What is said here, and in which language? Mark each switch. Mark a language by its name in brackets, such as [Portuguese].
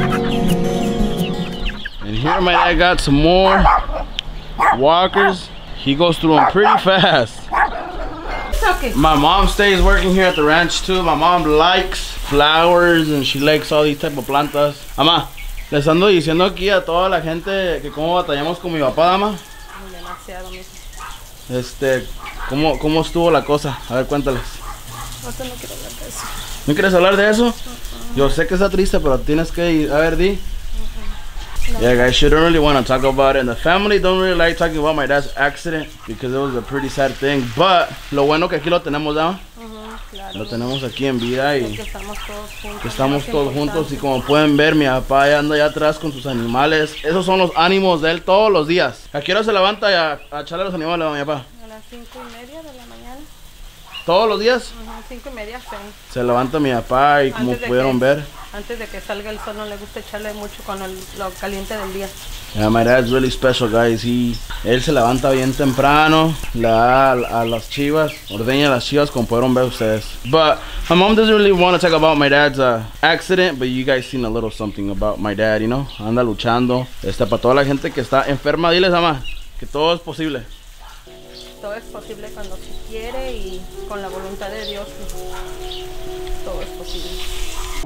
[English] here my dad got some more walkers. He goes through them pretty fast. Okay. My mom stays working here at the ranch too. My mom likes flowers and she likes all these type of plantas. [Spanish] Mamá, les ando diciendo aquí a toda la gente que cómo batallamos con mi papá, mamá. Demasiado, mijo. ¿Cómo estuvo la cosa? A ver, cuéntales. No quiero hablar de eso. ¿No quieres hablar de eso? Yo sé que está triste, pero tienes que ir. A ver, di. [English] Yeah, guys, you don't really want to talk about it. And the family don't really like talking about my dad's accident because it was a pretty sad thing. [Spanish] But lo bueno que aquí lo tenemos, ¿no? Claro. Lo tenemos aquí en vida y es que estamos todos juntos. Y como pueden ver, mi papá ya anda allá atrás con sus animales. Esos son los ánimos de él todos los días. ¿A qué hora se levanta a echarle a los animales, mi papá? A las 5:30 de la mañana. ¿Todos los días? 5:30, sí. Se levanta mi papá y antes como pudieron ver. Antes de que salga el sol, no le gusta echarle mucho con lo caliente del día. [English] Yeah, my dad's really special, guys. [Spanish] Él se levanta bien temprano, le da a las chivas, ordeña las chivas, como pudieron ver ustedes. [English] But my mom doesn't really want to talk about my dad's accident, but you guys seen a little something about my dad, you know? [Spanish] Anda luchando. Para toda la gente que está enferma, diles, mamá, que todo es posible. Todo es posible cuando se quiere y con la voluntad de Dios, todo es posible.